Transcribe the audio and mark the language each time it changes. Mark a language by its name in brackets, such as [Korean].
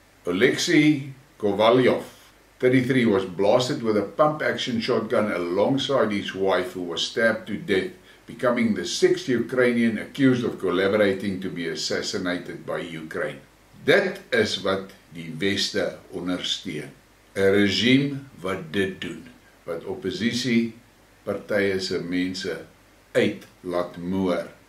[English] Oleksiy Kovalyov, 33, was blasted with a pump-action shotgun alongside his wife who was stabbed to death, becoming the 6th Ukrainian accused of collaborating to be assassinated by Ukraine. [Afrikaans] Dit is wat die Weste ondersteun. 'N regime wat dit doen, wat oppositie partye se mense uit laat moer.